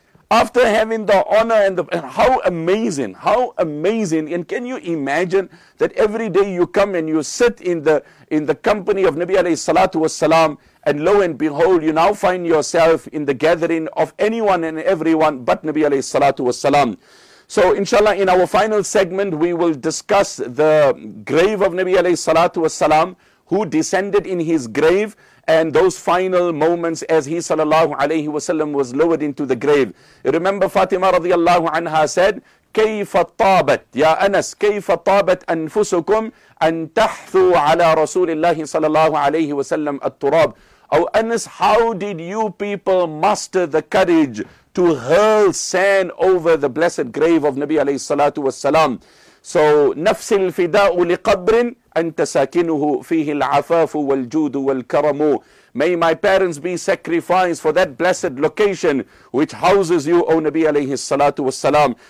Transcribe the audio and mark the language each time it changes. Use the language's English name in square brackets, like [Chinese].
[English] After having the honor and the, and how amazing, and can you imagine that every day you come and you sit in the company of Nabi alayhi salatu wasalam, and lo and behold, you now find yourself in the gathering of anyone and everyone but Nabi alayhi salatu wasalam. So inshallah, in our final segment, we will discuss the grave of Nabi alayhi salatu wasalam, who descended in his grave, and those final moments as he sallallahu alayhi wasallam was lowered into the grave. Remember Fatima radiallahu anha said, [Arabic] كَيْفَ طَابَتْ يَا أَنَسْ كَيْفَ طَابَتْ أَنفُسُكُمْ أَن تَحْثُوا عَلَى رَسُولِ اللَّهِ صَلَى اللَّهُ عَلَيْهِ وَسَلَّمَ الْتُرَابِ. [English] Oh Anas, how did you people muster the courage to hurl sand over the blessed grave of Nabi alayhi salatu wasalam? [Arabic] So, نَفْسِ الْفِدَاءُ لِقَبْرٍ أَن تَسَاكِنُهُ فِيهِ الْعَفَافُ وَالْجُودُ وَالْكَرَمُ. [English] May my parents be sacrificed for that blessed location which houses you, O Nabi alayhi salatu wasalam.